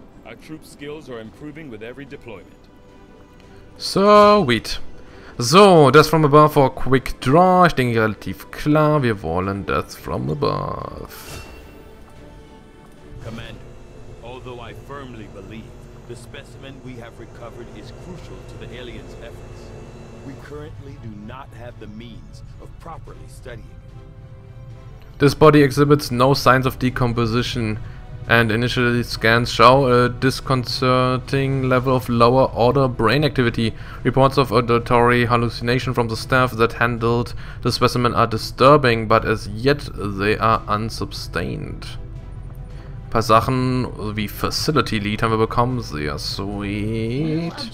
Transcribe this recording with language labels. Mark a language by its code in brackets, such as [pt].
[en] Our troop skills are improving with every deployment. Sweet. So, Death from Above for Quick Draw. [de] Ich denke relativ klar, wir wollen Death from Above. [en] Commander, although I firmly believe the specimen we have recovered is crucial to the aliens' efforts, we currently do not have the means of properly studying it. This body exhibits no signs of decomposition, and initial scans show a disconcerting level of lower order brain activity. Reports of auditory hallucination from the staff that handled the specimen are disturbing, but as yet they are unsustained. [de] Ein paar Sachen wie Facility Lead haben wir bekommen. Sehr sweet.